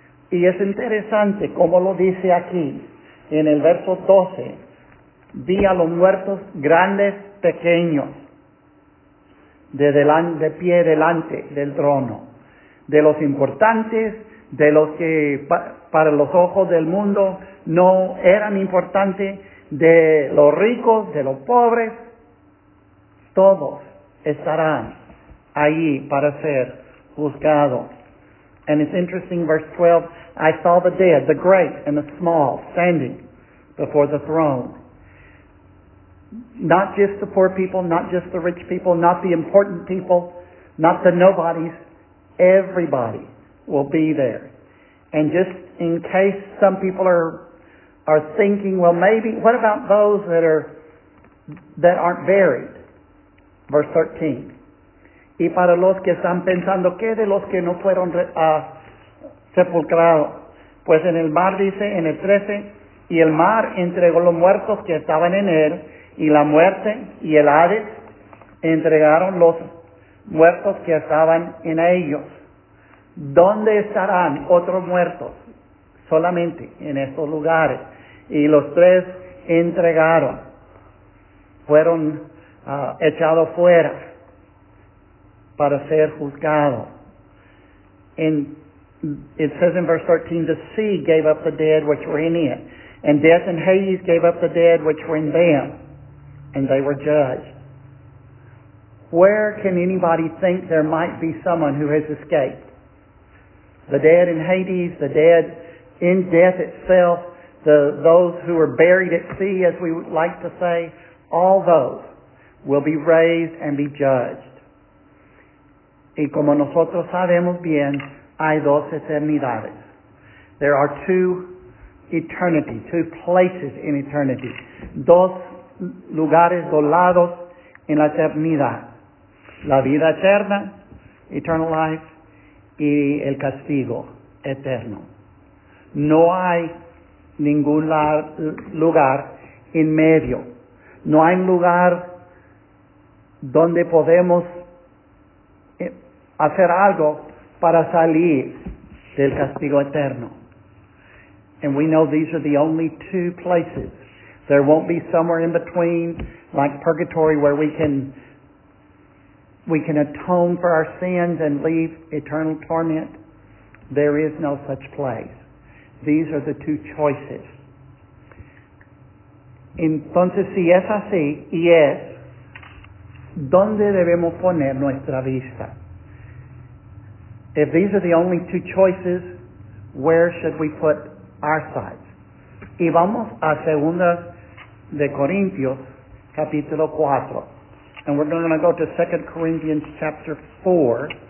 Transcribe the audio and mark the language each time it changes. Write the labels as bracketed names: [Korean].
[Spanish] Y es interesante cómo lo dice aquí, en el verso 12, vi a los muertos grandes, pequeños, de pie delante del trono, de los importantes, de los que para los ojos del mundo no eran importantes, de los ricos, de los pobres, todos estarán allí para ser juzgados. [English] And it's interesting, verse 12, I saw the dead, the great and the small, standing before the throne. Not just the poor people, not just the rich people, not the important people, not the nobodies, everybody will be there. And just in case some people are thinking, well, maybe, what about those that aren't buried? Verse 13. [Spanish] Y para los que están pensando, ¿qué de los que no fueron sepultados? Pues en el mar, dice, en el 13, y el mar entregó los muertos que estaban en él, y la muerte y el Hades entregaron los muertos que estaban en ellos. ¿Dónde estarán otros muertos? Solamente en estos lugares. Y los tres entregaron, fueron echados fuera para ser juzgado. [English] And it says in verse 13, the sea gave up the dead which were in it, and death and Hades gave up the dead which were in them, and they were judged. Where can anybody think there might be someone who has escaped? The dead in Hades, the dead in death itself, those who were buried at sea, as we would like to say, all those will be raised and be judged. [Spanish] Y como nosotros sabemos bien, hay dos eternidades. [English] There are two places in eternity. [Spanish] Dos lugares, dos lados en la eternidad. La vida eterna, [English] eternal life, [Spanish] y el castigo eterno. No hay ningún lugar en medio. No hay lugar donde podemos hacer algo para salir del castigo eterno. [English] And we know these are the only two places. There won't be somewhere in between, like purgatory, where we can atone for our sins and leave eternal torment. There is no such place. These are the two choices. [Spanish] Entonces, si es así, y es, ¿dónde debemos poner nuestra vista? [English] If these are the only two choices, where should we put our sights? [Spanish] Y vamos a Segunda de Corintios, capítulo 4. [English] And we're going to go to 2 Corinthians chapter 4.